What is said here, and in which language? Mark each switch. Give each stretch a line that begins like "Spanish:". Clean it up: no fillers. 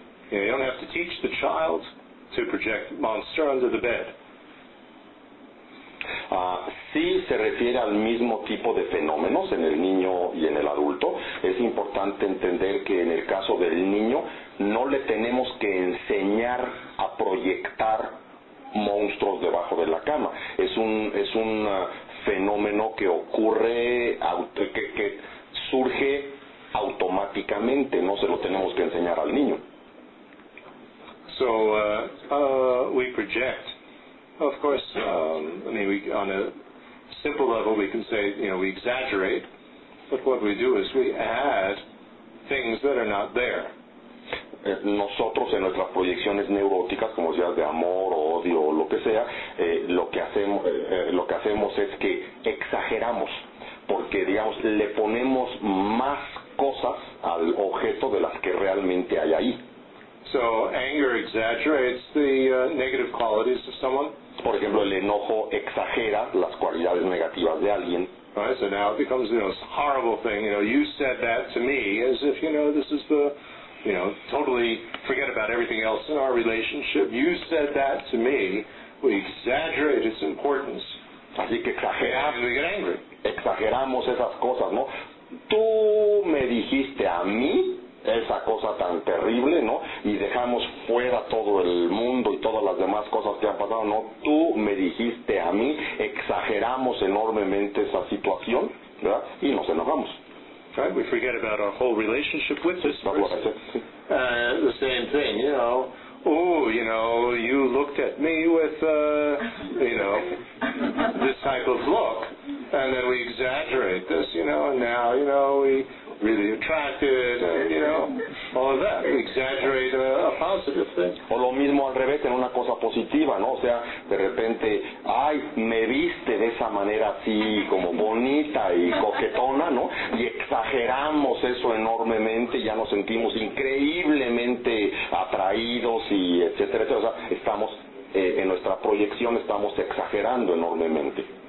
English: You know, you don't have to teach the child to project monster under the bed.
Spanish: Sí se refiere al mismo tipo de fenómenos en el niño y en el adulto. Es importante entender que en el caso del niño no le tenemos que enseñar a proyectar monstruos debajo de la cama. Es un fenómeno que ocurre, que surge automáticamente. No se lo tenemos que enseñar al niño.
English: So we project. Of course, we, on a simple level, we can say, you know, we exaggerate, but what we do is we add things that are not there.
Spanish: Nosotros en nuestras proyecciones neuróticas, como sea de amor o odio o lo que sea, lo que hacemos es que exageramos, porque, digamos, le ponemos más cosas al objeto de las que realmente hay ahí.
English: So anger exaggerates the negative qualities of someone.
Spanish: Por ejemplo, el enojo exagera las cualidades negativas de alguien.
English: Right, so now it becomes, you know, this horrible thing. You know, you said that to me as if, you know, this is the, you know, totally forget about everything else in our relationship. You said that to me. We exaggerate its importance.
Spanish: Así que exageramos.
English: We get angry.
Spanish: Exageramos esas cosas, ¿no? Tú me dijiste a mí esa cosa tan terrible, ¿no? Y dejamos fuera todo el mundo y todas las demás cosas que han pasado, ¿no? Tú me dijiste a mí, exageramos enormemente esa situación, ¿verdad? Y nos enojamos.
English: Right, we forget about our whole relationship with this person.
Spanish: Sí.
English: The same thing, you know, oh, you know, you looked at me with, you know, this type of look, and then we exaggerate this, you know, and now, you know, we really attracted, and, you know, all of that. We exaggerate a positive thing.
Spanish: O lo mismo al revés, en una cosa positiva, ¿no? O sea, de repente, ay, me viste de esa manera así, como bonita y coquetona, ¿no? Y exageramos eso enormemente, ya nos sentimos increíblemente atraídos y etcétera, etcétera. O sea, estamos, en nuestra proyección, estamos exagerando enormemente.